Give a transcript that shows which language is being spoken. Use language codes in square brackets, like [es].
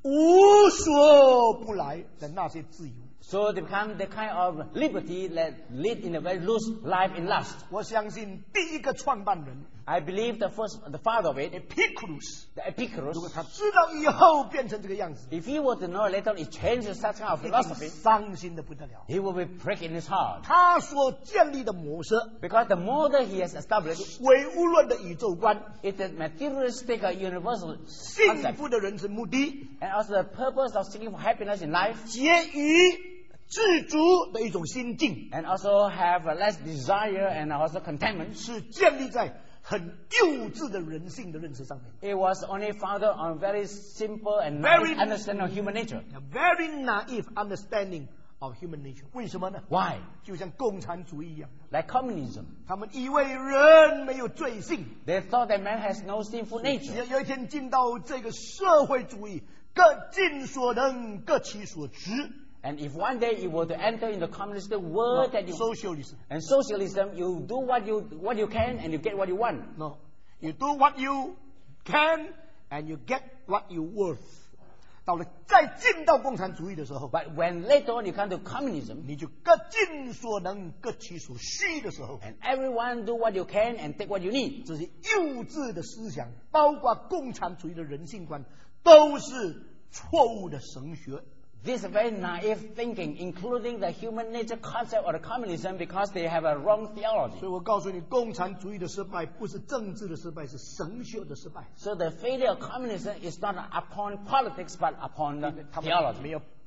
[zh] 终于醉酒无所不来的那些自由, [en] so they become the kind of liberty that lead in a very loose life in lust. [zh] 我相信第一个创办人, [en] I believe the first, the father of it, Epicurus, the Epicurus, [zh] 如果他知道以后变成这个样子, [en] if he were to know later on it changes such kind of philosophy, [zh] 伤心得不得了, [en] he will be pricked in his heart. [zh] 他所建立的模式, [en] because the model he has established, [zh] 唯物论的宇宙观, [en] is a materialistic universal [zh] concept, 幸福的人生目的, [en] and also the purpose of seeking for happiness in life, [zh] 结于自足的一种心境, [en] and also have a less desire and also contentment, [zh] 是建立在 很幼稚的人性的认识上面, [en] it was only founded on very simple and very understanding of human nature, a very naive understanding of human nature. [zh] 为什么呢? [en] Why? [zh] 就像共产主义一样, [en] like communism, [zh] 他们以为人没有罪性, [en] they thought that man has no sinful nature. [zh] 有一天进到这个社会主义, 各尽所能, 各其所值, [en] and if one day you were to enter in the communist world, that you, socialism, and socialism, you do what you can and you get what you want. No, you do what you can and you get what you worth. [zh] 到了再进到共产主义的时候, [en] but when later on you come to communism, [zh] 你就各尽所能各其所需的时候, [en] and everyone do what you can and take what you need. [zh] 这些幼稚的思想, 包括共产主义的人性观, 都是错误的神学。 [en] This is very naive thinking, including the human nature concept or the communism, because they have a wrong theology. [zh] 所以我告诉你, 共产主义的失败不是政治的失败, 是神学的失败。 [en] So the failure of communism is not upon politics, but upon the theology.